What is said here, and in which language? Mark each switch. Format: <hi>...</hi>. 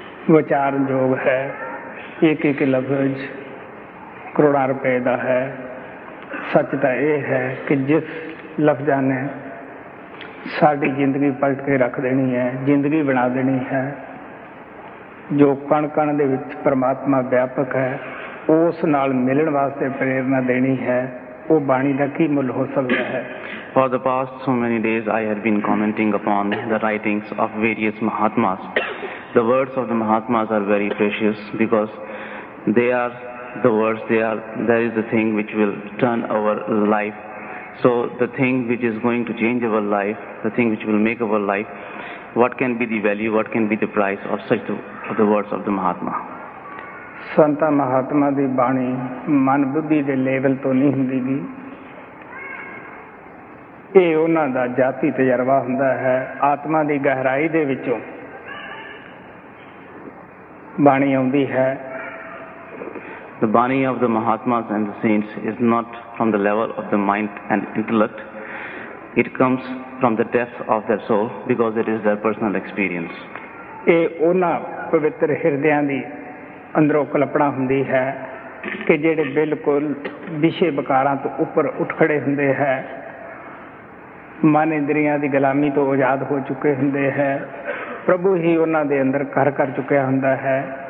<pa>ਵਿਚਾਰਨਯੋਗ ਹੈ ਇੱਕ ਇੱਕ ਲਫ਼ਜ਼ ਕਰੋੜਾਂ ਰੁਪਏ ਦਾ ਹੈ ਸੱਚ ਤਾਂ ਇਹ ਹੈ ਕਿ ਜਿਸ ਲਫ਼ਜ਼ਾਂ ਨੇ ਸਾਡੀ ਜ਼ਿੰਦਗੀ ਪਲਟ ਕੇ ਰੱਖ ਦੇਣੀ ਹੈ ਜ਼ਿੰਦਗੀ ਬਣਾ ਦੇਣੀ ਹੈ ਜੋ ਕਣ ਕਣ ਦੇ ਵਿੱਚ ਪਰਮਾਤਮਾ ਵਿਆਪਕ ਹੈ ਉਸ ਨਾਲ ਮਿਲਣ ਵਾਸਤੇ ਪ੍ਰੇਰਨਾ ਦੇਣੀ ਹੈ</pa> <en>For the past so many days, I had been commenting upon the writings of various Mahatmas. The words of the Mahatmas are very precious because they are the words, that is the thing which will turn our life. So the thing which is going to change our life, the thing which will make our life, what can be the value, what can be the price of such the words of the Mahatma?</en> <pa>ਸੰਤਾਂ ਮਹਾਤਮਾ ਦੀ ਬਾਣੀ ਮਨ ਬੁੱਧੀ ਦੇ level ਤੋਂ ਨਹੀਂ ਹੁੰਦੀ ਗੀ। ਇਹ ਉਹਨਾਂ ਦਾ ਜਾਤੀ ਤਜਰਬਾ ਹੁੰਦਾ ਹੈ, ਆਤਮਾ ਦੀ ਗਹਿਰਾਈ ਦੇ ਵਿੱਚੋਂ ਬਾਣੀ ਆਉਂਦੀ ਹੈ।</pa> <en>The bani of the Mahatmas and the saints is not from the level of the mind and intellect. It comes from the depth of their soul because it is their personal experience.</en> <pa>ਇਹ ਉਹਨਾਂ ਪਵਿੱਤਰ ਹਿਰਦਿਆਂ ਦੀ ਅੰਦਰੋਂ ਕਲਪਣਾ ਹੁੰਦੀ ਹੈ ਕਿ ਜਿਹੜੇ ਬਿਲਕੁਲ ਵਿਸ਼ੇ ਵਿਕਾਰਾਂ ਤੋਂ ਉੱਪਰ ਉੱਠ ਖੜੇ ਹੁੰਦੇ ਹੈ, ਮਨ ਇੰਦਰੀਆਂ ਦੀ ਗੁਲਾਮੀ ਤੋਂ ਆਜ਼ਾਦ ਹੋ ਚੁੱਕੇ ਹੁੰਦੇ ਹੈ, ਪ੍ਰਭੂ ਹੀ ਉਹਨਾਂ ਦੇ ਅੰਦਰ ਘਰ ਕਰ ਚੁੱਕਿਆ ਹੁੰਦਾ ਹੈ।</pa>